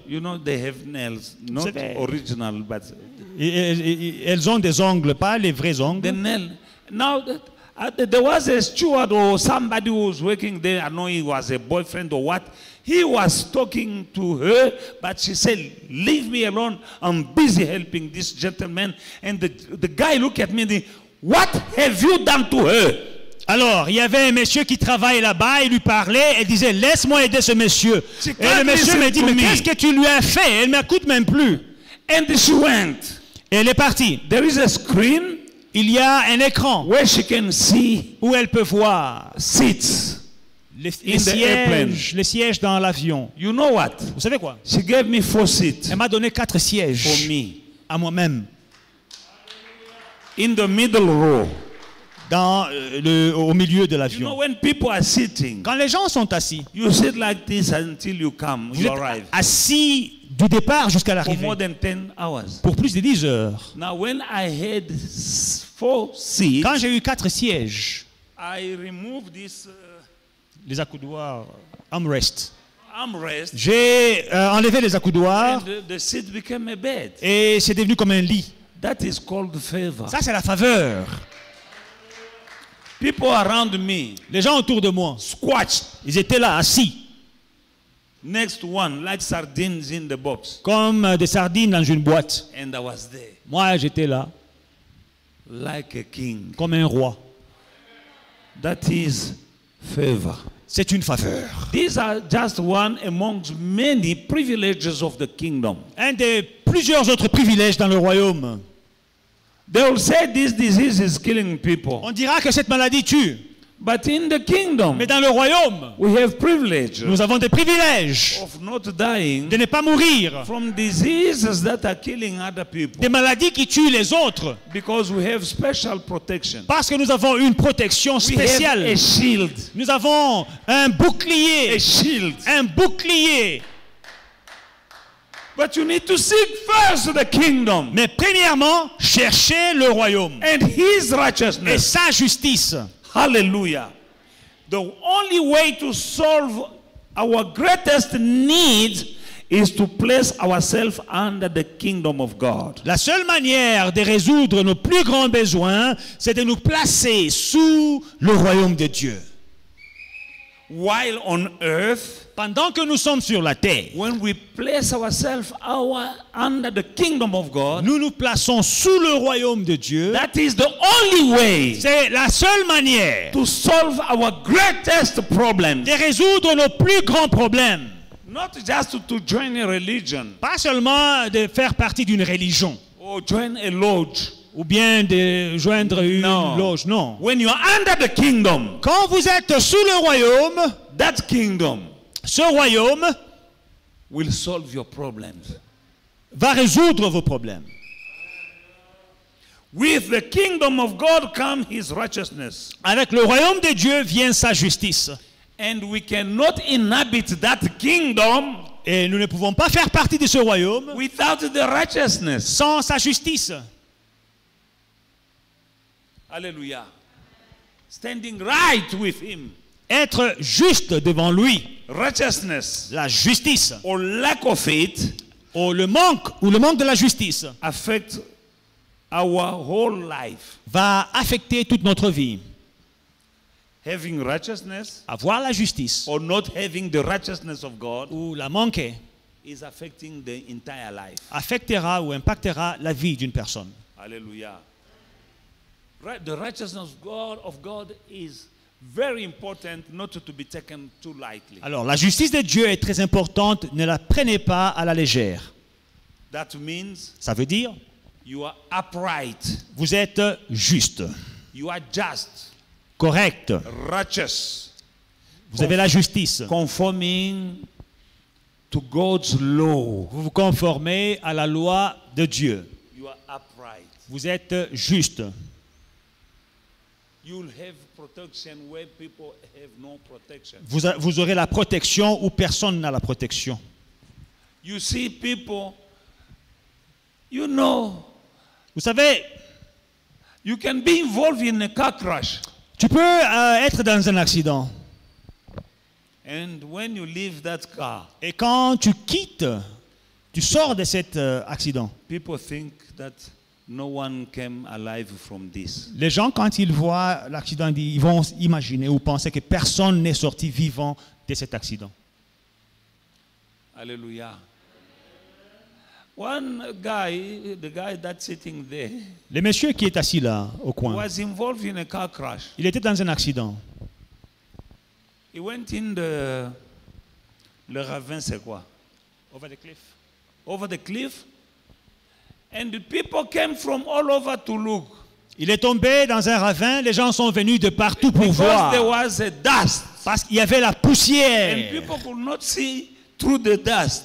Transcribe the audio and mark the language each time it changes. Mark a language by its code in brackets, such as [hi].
[en] You know, they have nails, not original, but [fr] elles ont des ongles, pas les vrais ongles. [en] The nail. Now, there was a steward or somebody who was working there. I know he was a boyfriend or what. He was talking to her, but she said, "Leave me alone. I'm busy helping this gentleman." And the guy looked at me and said, "What have you done to her?" [fr] Alors, il y avait un monsieur qui travaillait là-bas, il lui parlait, elle disait, laisse-moi aider ce monsieur. Et le monsieur m'a dit, mais qu'est-ce que tu lui as fait? Elle ne m'écoute même plus. [en] And she went. [fr] Et elle est partie. [en] There is a screen. [fr] Il y a un écran. [en] Where she can see. [fr] Où elle peut voir. [en] Seats. [fr] Les sièges dans l'avion. [en] You know what? [fr] Vous savez quoi? [en] She gave me 4 seats. [fr] Elle m'a donné 4 sièges. [en] For me. [fr] À moi-même. [en] In the middle row. [fr] Dans le, au milieu de l'avion. [en] You know, when people are sitting, [fr] quand les gens sont assis, [en] you sit like this until you come, [fr] vous êtes [en] arrive. [fr] Assis du départ jusqu'à l'arrivée. [en] For more than 10 hours. [fr] Pour plus de 10 heures. [en] Now, when I had 4 seats, [fr] quand j'ai eu 4 sièges, [en] I remove this, [fr] les accoudoirs, [en] armrest. Armrest. [fr] J'ai enlevé les accoudoirs [en] and the seat became a bed. [fr] Et c'est devenu comme un lit. [en] That is called favor. [fr] Ça, c'est la faveur. [en] People around me, [fr] les gens autour de moi, [en] squatched, [fr] ils étaient là assis. [en] Next one, like sardines in the box. [fr] Comme des sardines dans une boîte. [en] And I was there. [fr] Moi, j'étais là. [en] Like a king. [fr] Comme un roi. [en] That is favor. [fr] C'est une faveur. [en] These are just one among many privileges of the kingdom. [fr] Un des plusieurs autres privilèges dans le royaume. [en] They will say this disease is killing people. [fr] On dira que cette maladie tue. [en] But in the kingdom, [fr] mais dans le royaume, [en] we have privilege, [fr] nous avons des privilèges [en] of not dying, [fr] de ne pas mourir [en] from diseases that are killing other people, [fr] des maladies qui tuent les autres, [en] because we have special protection. [fr] Parce que nous avons une protection spéciale. [en] We have a shield. [fr] Nous avons un bouclier. [en] A shield. [fr] Un bouclier. [en] But you need to seek first the kingdom. [fr] Mais premièrement, cherchez le royaume. [en] And his righteousness. [fr] Et sa justice. [en] Hallelujah. The only way to solve our greatest needs is to place ourselves under the kingdom of God. [fr] La seule manière de résoudre nos plus grands besoins, c'est de nous placer sous le royaume de Dieu. [en] While on earth, [fr] pendant que nous sommes sur la terre, [en] when we place ourselves under the kingdom of God, [fr] nous nous plaçons sous le royaume de Dieu. [en] That is the only way. [fr] C'est la seule manière [en] to solve our greatest problems. [fr] De résoudre nos plus grands problèmes. [en] Not just to join a religion. [fr] Pas seulement de faire partie d'une religion. [en] Or join a lodge. [fr] Ou bien de joindre une [en] no. [fr] loge. Non. [en] When you are under the kingdom, [fr] quand vous êtes sous le royaume, [en] that kingdom. [fr] Ce royaume [en] will solve your problems. [fr] Va résoudre vos problèmes. [en] With the kingdom of God come his righteousness. [fr] Avec le royaume de Dieu vient sa justice. [en] And we cannot inhabit that kingdom. [fr] Et nous ne pouvons pas faire partie de ce royaume [en] without the righteousness. [fr] Sans sa justice. Alléluia. [en] Standing right with him. [fr] Être juste devant lui. [en] Righteousness. [fr] La justice. [en] Or lack of it. [fr] Ou le manque. Ou le manque de la justice. [en] Affect our whole life. [fr] Va affecter toute notre vie. [en] Having righteousness. [fr] Avoir la justice. [en] Or not having the righteousness of God. [fr] Ou la manquer. [en] Is affecting the entire life. [fr] Affectera ou impactera la vie d'une personne. Alléluia. [en] The righteousness of God is very important not to be taken too lightly. [fr] Alors la justice de Dieu est très importante, ne la prenez pas à la légère. [en] That means [fr] ça veut dire [en] you are upright. [fr] Vous êtes juste. [en] You are just. Correct. Righteous. [fr] Vous avez la justice. [en] Conforming to God's law. [fr] Vous vous conformez à la loi de Dieu. [en] You are upright. [fr] Vous êtes juste. [en] You'll have protection where people have no protection. [fr] Vous aurez la protection où personne n'a la protection. [en] You see people, you know, [fr] vous savez, [en] you can be involved in a car crash. [fr] Tu peux être dans un accident. [en] And when you leave that car, [fr] et quand tu quittes, tu sors de cet accident, [en] people think that no one came alive from this. [fr] Les gens, quand ils voient l'accident, ils vont imaginer ou penser que personne n'est sorti vivant de cet accident. Alléluia. [en] One guy, the guy that's sitting there, [fr] le monsieur qui est assis là, au coin, [en] was involved in a car crash. [fr] Il était dans un accident. [en] He went in [fr] le ravin, c'est quoi? [en] Over the cliff. Over the cliff. And the people came from all over to look. [fr] Il est tombé dans un ravin, les gens sont venus de partout pour [en] because [fr] voir. [en] There was a dust. [fr] Parce qu'il y avait la poussière. [en] And people could not see through the dust.